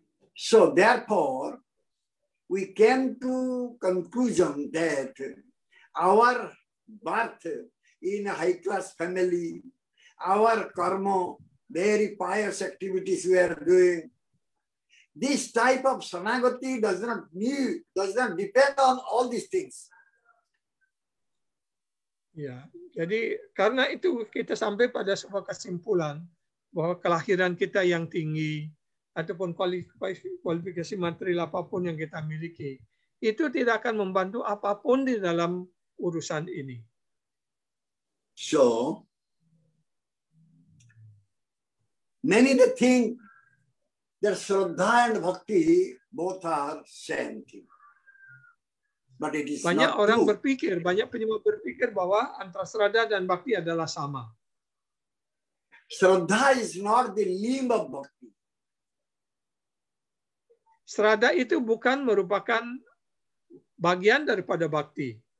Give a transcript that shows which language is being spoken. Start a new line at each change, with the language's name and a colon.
English: So therefore, we came to conclusion that our birth in a high class family, our karma, very pious activities we are doing, this type of sanagati does not depend on all these things.
Indonesian: Ya, jadi karena itu kita sampai pada sebuah kesimpulan bahwa kelahiran kita yang tinggi ataupun kualifikasi material apapun yang kita miliki itu tidak akan membantu apapun di dalam urusan ini.
English: So, many the thing that shraddha and bhakti both are same thing. But it is
Indonesian: banyak orang
English: true.
Indonesian: Berpikir, banyak penyembah berpikir bahwa antara shraddha dan bhakti adalah sama.
English: Shraddha is not the limb of bhakti.
Indonesian: Shraddha itu bukan merupakan bagian daripada bhakti.